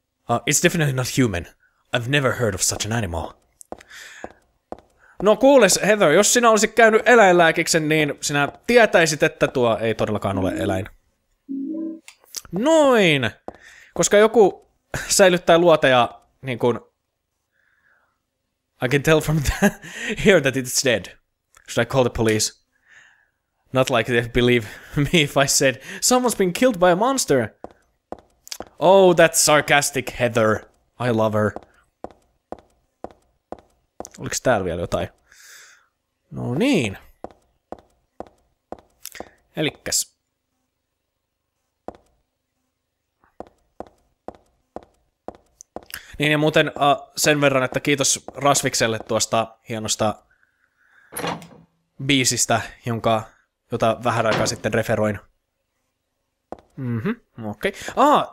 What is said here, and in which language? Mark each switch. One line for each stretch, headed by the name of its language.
English: It's definitely not human. I've never heard of such an animal.
Finnish: No kuules, Heather, jos sinä olisit käynyt eläinlääkiksen, niin sinä tietäisit, että tuo ei todellakaan ole eläin. Noin! Koska joku säilyttää luota ja niin kuin
English: I can tell from here that it's dead. Should I call the police? Not like they'd believe me if I said someone's been killed by a monster. Oh, that's sarcastic, Heather. I love her.
Finnish: Oliko täällä vielä jotain? No niin. Elikkäs. Niin ja muuten sen verran, että kiitos Rasvikselle tuosta hienosta biisistä, jota vähän aikaa sitten referoin. Mhm, okei. Okay.